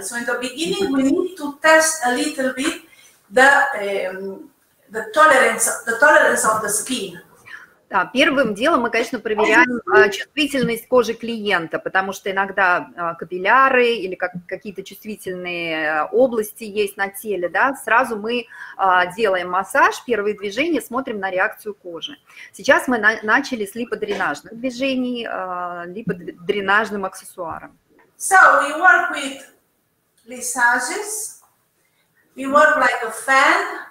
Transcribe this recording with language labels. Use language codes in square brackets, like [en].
[en] So in the beginning, we need to test a little bit the tolerance of the skin. [ru] Да, первым делом мы, конечно, проверяем чувствительность кожи клиента, потому что иногда капилляры или какие-то чувствительные области есть на теле, да, сразу мы делаем массаж, первые движения, смотрим на реакцию кожи. Сейчас мы начали с липодренажных движений, липодренажным аксессуаром. [en] So we work with massages. We work like a fan.